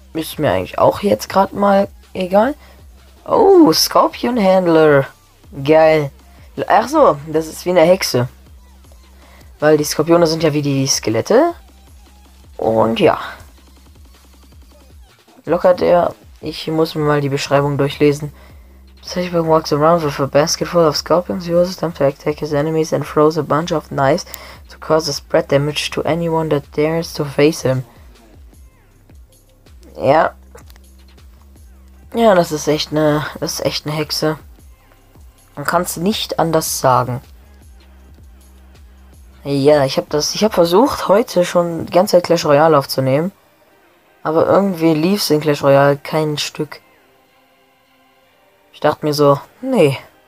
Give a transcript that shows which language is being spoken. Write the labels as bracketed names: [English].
[German] Ist mir eigentlich auch jetzt gerade mal egal. Oh, Scorpion Handler. Geil. Ach so, das ist wie eine Hexe. Weil die Skorpione sind ja wie die Skelette. Und ja. Lockert er. Ich muss mir mal die Beschreibung durchlesen. [English] Such a walks around with a basket full of scorpions, uses them to attack his enemies and throws a bunch of knives to cause a spread damage to anyone that dares to face him. [German] Ja. Ja, das ist echt eine Hexe. Man kann es nicht anders sagen. Ja, ich habe versucht, heute schon die ganze Zeit Clash Royale aufzunehmen. Aber irgendwie lief es in Clash Royale kein Stück. Ich dachte mir so, nee.